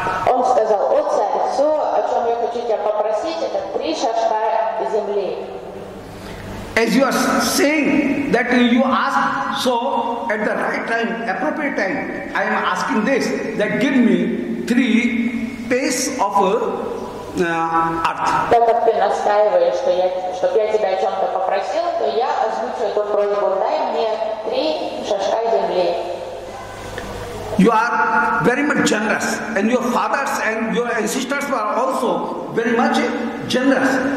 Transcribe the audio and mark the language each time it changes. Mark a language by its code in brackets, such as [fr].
[ru] Он сказал, о царь, все, о чем я хочу тебя попросить, это 3 шашка земли. [en] As you are saying that you ask, so at the right time, appropriate time, I am asking this, that give me 3 pace of earth. [ru] Так как ты настаиваешь, чтобы я тебя о чем-то попросил, то я озвучу эту просьбу, дай мне 3 шашка земли. [en] You are very much generous, and your fathers and your ancestors were also very much generous.